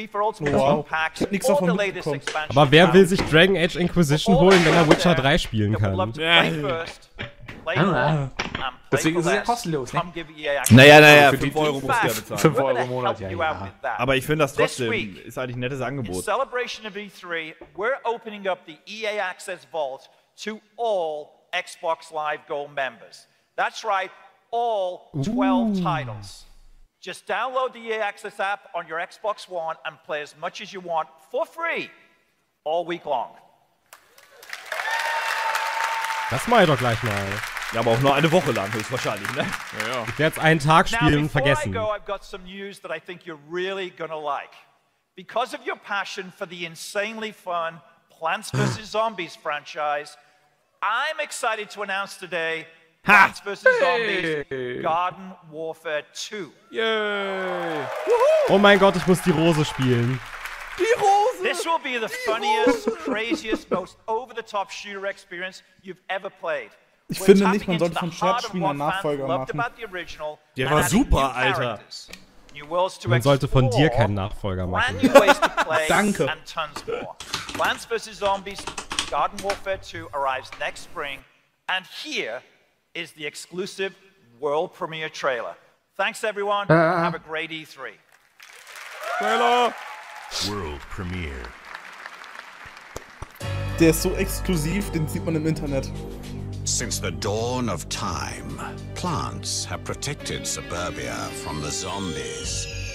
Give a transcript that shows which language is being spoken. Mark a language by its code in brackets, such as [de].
[de] Wow. Ich hab nichts davon mitbekommen. Aber wer will sich Dragon Age Inquisition holen, wenn er Witcher 3 spielen kann? Ja. Deswegen ist es ja kostenlos, ne? Naja, für 5 Euro musst du ja bezahlen. 5 Euro im Monat, ja. Aber ich finde das trotzdem, ist eigentlich ein nettes Angebot. [en] In celebration of E3, we're opening up the EA Access Vault to all Xbox Live Gold members. That's right, all 12 titles. Just download the EA Access app on your Xbox One and play as much as you want for free, all week long. [de] Das mache ich doch gleich mal. Ja, aber auch nur eine Woche lang höchstwahrscheinlich, ne? Ja, ja. Ich werde jetzt einen Tag spielen und vergessen. [en] Now, before I go, I've got some news that I think you're really gonna like. Because of your passion for the insanely fun Plants vs. Zombies franchise, I'm excited to announce today Plants vs. Zombies Garden Warfare 2. Yay! [de] Oh mein Gott, ich muss die Rose spielen. Die Rose! [en] This will be the funniest, craziest, most over-the-top shooter experience you've ever played. [de] Ich finde nicht, man sollte von Scherzspielen einen Nachfolger machen. Der war super, Alter. Man sollte von dir keinen Nachfolger machen. Danke. [en] Plants vs. Zombies Garden Warfare 2 arrives next spring and here is the exclusive world premiere trailer. Thanks everyone. Have a great E3. Trailer. World premiere. [de] Der ist so exklusiv, den sieht man im Internet. [en] Since the dawn of time, plants have protected suburbia from the zombies.